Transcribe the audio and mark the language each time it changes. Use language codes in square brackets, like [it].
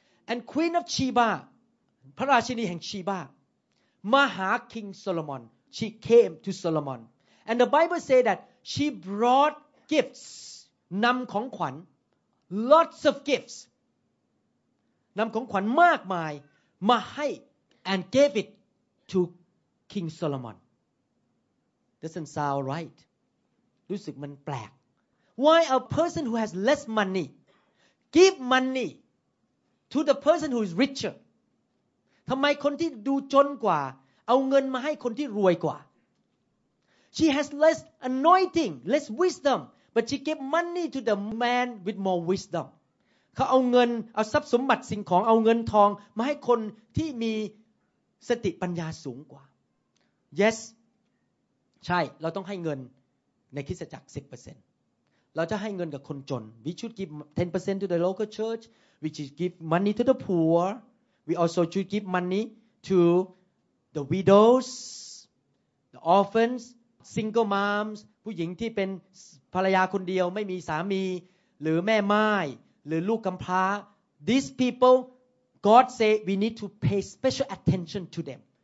[en] and queen of sheba [th] พระราชินีแห่งชีบามาหา [en] king solomon she came to solomon and the bible say that she brought gifts [th] นำของขวัญ [en] lots of gifts [th] นำของขวัญมากมายมาให้ [en] and gave it to king solomonDoesn't sound right. [th] รู้สึกมันแปลก [en] Why a person who has less money give money to the person who is richer. [th] ทำไมคนที่ดูจนกว่าเอาเงินมาให้คนที่รวยกว่า [en] She has less anointing, less wisdom, but she gave money to the man with more wisdom. [th] เขาเอาเงินเอาทรัพย์สมบัติสิ่งของเอาเงินทองมาให้คนที่มีสติปัญญาสูงกว่า [en] Yes [th] ใช่เราต้องให้เงินในคริสตจักร 10%เราจะให้เงินกับคนจน [en] We should give 10% to the local church. We should give money to the poor. We also should give money to the widows, the orphans, single moms, [th] ผู้หญิงที่เป็นภรรยาคนเดียวไม่มีสามีหรือแม่ม่ายหรือลูกกำพร้า [en] These people, God say we need to pay special attention to them.